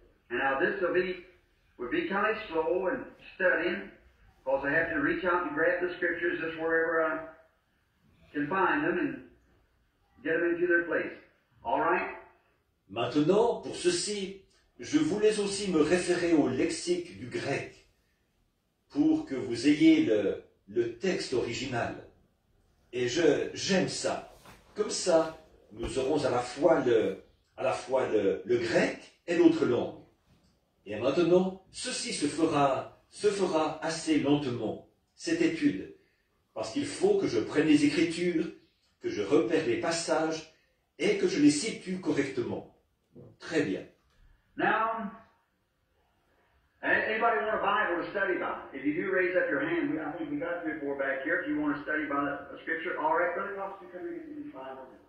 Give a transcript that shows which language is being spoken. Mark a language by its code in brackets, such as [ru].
[en] And now this will be kind of slow and studying, because I have to reach out and grab the scriptures just wherever I can find them and get them into their place. All right? [fr] Maintenant, pour ceci, je voulais aussi me référer au lexique du grec pour que vous ayez le texte original. Et j'aime ça. Comme ça, nous aurons à la fois le grec et l'autre langue. Et maintenant, ceci se fera assez lentement, cette étude, parce qu'il faut que je prenne les écritures, que je repère les passages et que je les situe correctement. Très bien. [en] Now, anybody want a Bible to study by? If you do, raise up your hand. I think we got three or four back here. If you want to study by a scripture, all right, Brother Cox, you come here and get me a Bible.